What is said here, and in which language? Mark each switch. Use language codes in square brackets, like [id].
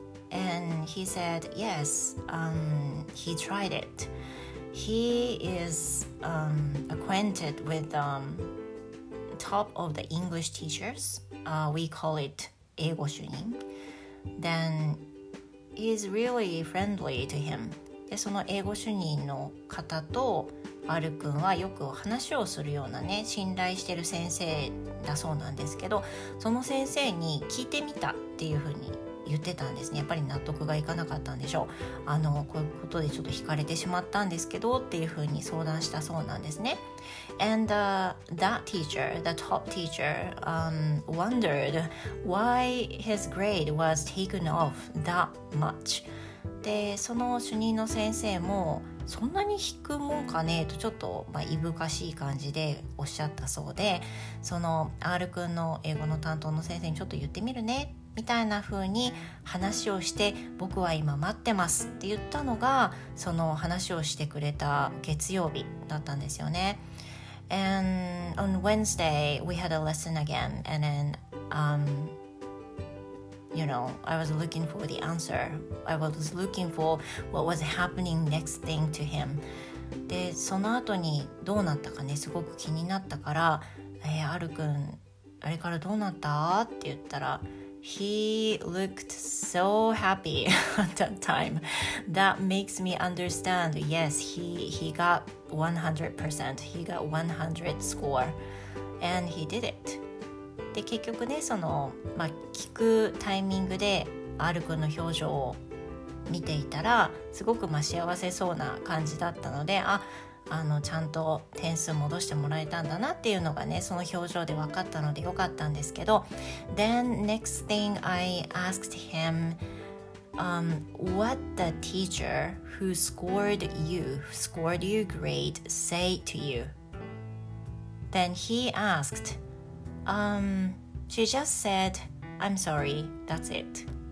[en] And he said, yes, he tried it. He is acquainted with top of the English teachers, we call it 英語主任, then he's really friendly to him. [ja] で、その英語主任の方と R 君はよく話をするようなね、信頼してる先生だそうなんですけど、その先生に聞いてみたっていうふうに言ってたんですね。やっぱり納得がいかなかったんでしょう。こういうことでちょっと惹かれてしまったんですけどっていうふうに相談したそうなんですね。 [en] And that teacher, the top teacher, wondered why his grade was taken off that much. [ja] で、その主任の先生もそんなに引くもんかねとちょっと、まあ、いぶかしい感じでおっしゃったそうで、その R 君の英語の担当の先生にちょっと言ってみるねみたいな風に話をして、僕は今待ってますって言ったのが、その話をしてくれた月曜日だったんですよね。 [en] And on Wednesday we had a lesson again, and then you know, I was looking for the answer. I was looking for what was happening next thing to him. [ja] で、その後にどうなったかね、すごく気になったから、アル君、あれからどうなったって言ったら、 [en] He looked so happy at that time. That makes me understand. Yes, he got 100%. He got 100 score. And he did it. [ja] で、結局ね、その、まあ、聞くタイミングで R 君の表情を見ていたら、すごくまあ幸せそうな感じだったので、ちゃんと点数戻してもらえたんだなっていうのがね、その表情で分かったのでよかったんですけど。 [en] Then next thing I asked him、What the teacher who scored you grade say to you? Then he askedshe just said, I'm sorry, that's it.